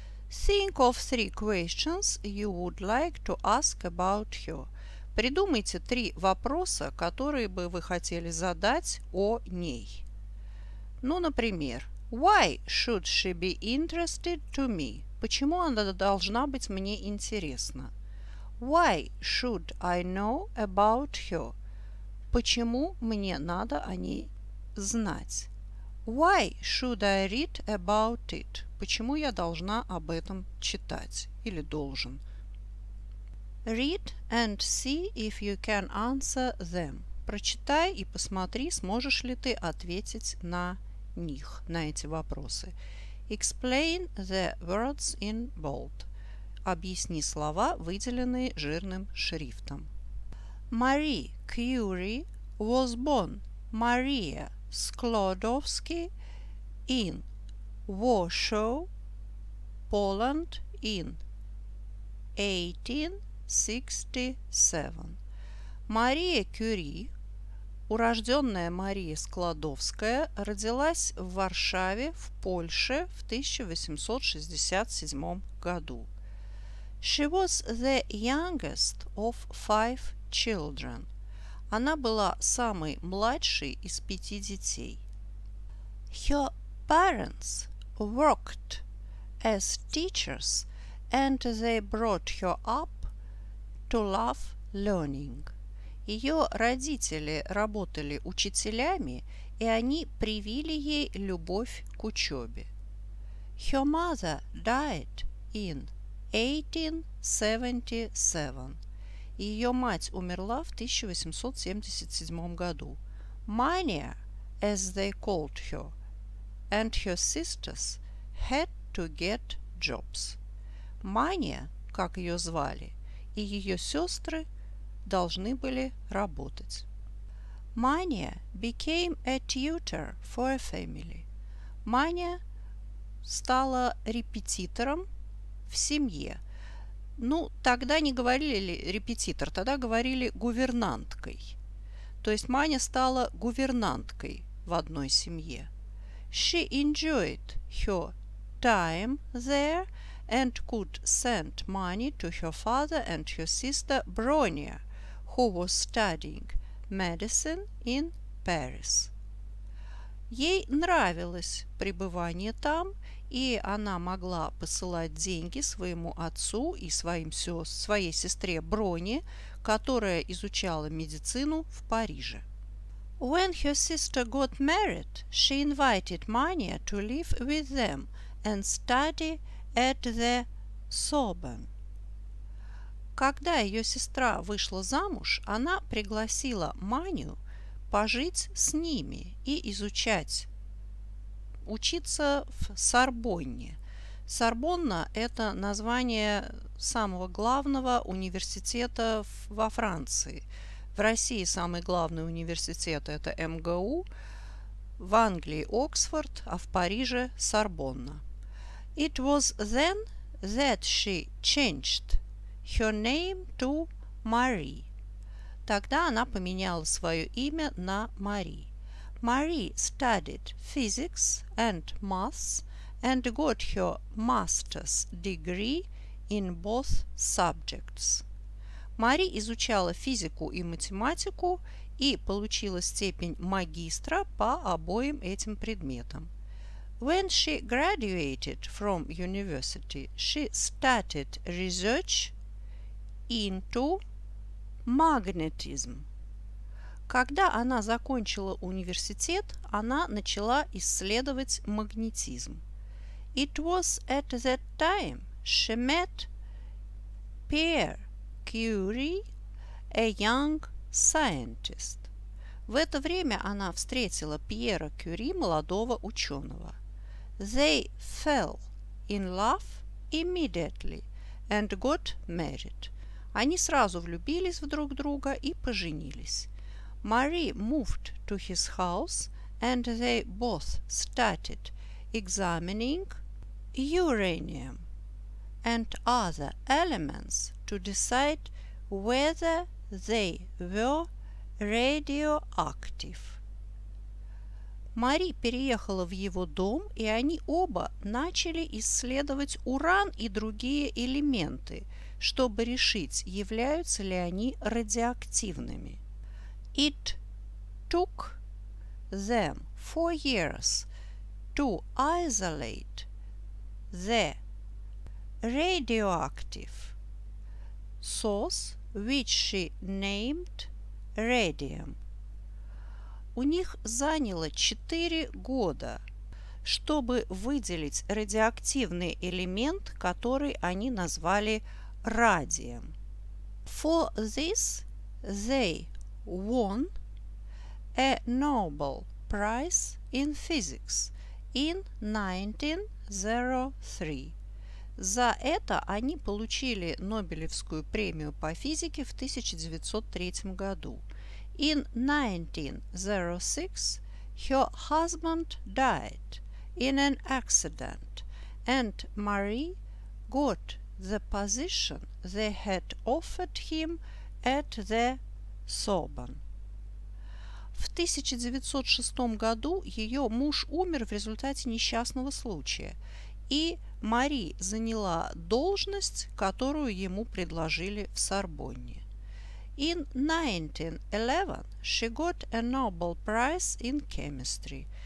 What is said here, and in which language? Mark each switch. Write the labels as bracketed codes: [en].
[en] Think of three questions you would like to ask about her. [ru] Придумайте три вопроса, которые бы вы хотели задать о ней. Ну, например, [en] Why should she be interested to me? [ru] Почему она должна быть мне интересна? [en] Why should I know about her? [ru] Почему мне надо о ней знать? [en] Why should I read about it? [ru] Почему я должна об этом читать или должен? [en] Read and see if you can answer them. [ru] Прочитай и посмотри, сможешь ли ты ответить на них, на эти вопросы. [en] Explain the words in bold. [ru] Объясни слова, выделенные жирным шрифтом. [en] Marie Curie was born Maria Sklodowska in Warsaw, Poland in 1867. [ru] Мария Кюри, урожденная Мария Склодовская, родилась в Варшаве, в Польше, в 1867 году. [en] She was the youngest of five children. [ru] Она была самой младшей из пяти детей. [en] Her parents worked as teachers, and they brought her up to love learning. [ru] Ее родители работали учителями, и они привили ей любовь к учебе. [en] Her mother died in 1877. [ru] Ее мать умерла в 1877 году. [en] Mania, as they called her, and her sisters had to get jobs. [ru] Mania, как ее звали, и ее сестры должны были работать. [en] Mania became a tutor for a family. [ru] Mania стала репетитором в семье. Ну, тогда не говорили ли репетитор, тогда говорили гувернанткой. То есть Mania стала гувернанткой в одной семье. [en] She enjoyed her time there and could send money to her father and her sister Bronia, who was studying medicine in Paris. [ru] Ей нравилось пребывание там, и она могла посылать деньги своему отцу и своей сестре Броне, которая изучала медицину в Париже. [en] When her sister got married, she invited Mania to live with them and study at the Sorbonne. [ru] Когда ее сестра вышла замуж, она пригласила Маню пожить с ними и учиться в Сорбонне. Сорбонна – это название самого главного университета во Франции. В России самый главный университет – это МГУ, в Англии – Оксфорд, а в Париже – Сорбонна. [en] It was then that she changed her name to Marie. [ru] Тогда она поменяла свое имя на Marie. [en] Marie studied physics and maths and got her master's degree in both subjects. [ru] Marie изучала физику и математику и получила степень магистра по обоим этим предметам. [en] When she graduated from university, she started research into magnetism. [ru] Когда она закончила университет, она начала исследовать магнетизм. [en] It was at that time she met Pierre Curie, a young scientist. [ru] В это время она встретила Пьера Кюри, молодого ученого. [en] They fell in love immediately and got married. [ru] Они сразу влюбились в друг друга и поженились. [en] Marie moved to his house and they both started examining uranium and other elements to decide whether they were radioactive. [ru] Marie переехала в его дом, и они оба начали исследовать уран и другие элементы, чтобы решить, являются ли они радиоактивными. [en] It took them 4 years to isolate the radioactive source, which she named radium. [ru] У них заняло 4 года, чтобы выделить радиоактивный элемент, который они назвали радием. [en] For this they won a Nobel Prize in Physics in 1903. [ru] За это они получили Нобелевскую премию по физике в 1903 году. [en] In 1906 her husband died in an accident and Marie got the position they had offered him at the Sorbonne. [ru] В 1906 году ее муж умер в результате несчастного случая, и Мари заняла должность, которую ему предложили в Сорбонне. [en] In 1911 she got a Nobel Prize in Chemistry.